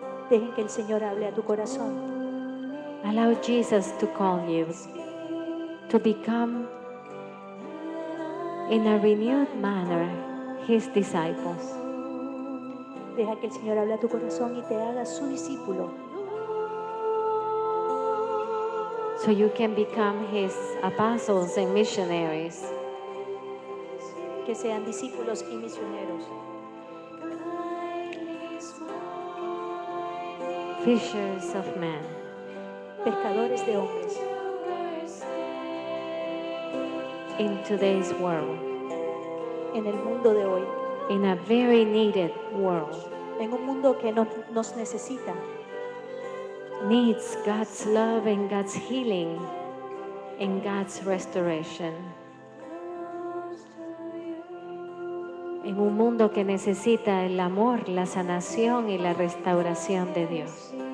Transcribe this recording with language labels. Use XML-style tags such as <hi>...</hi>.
<es>Dejen que el Señor hable a tu corazón.</es> <en>Allow Jesus to call you to become in a renewed manner, his disciples.</en> <es>Deja que el Señor hable a tu corazón y te haga su discípulo.</es> <en>So you can become his apostles and missionaries.</en> <es>Que sean discípulos y misioneros.</es> <en>Fishers of men.</en> <es>Pescadores de hombres.</es> <en>In today's world.</en> <es>En el mundo de hoy.</es> <en>In a very needed world.</en> <es>En un mundo que nos necesita.</es> <en>Needs God's love and God's healing and God's restoration.</en> <es>En un mundo que necesita el amor, la sanación y la restauración de Dios.</es>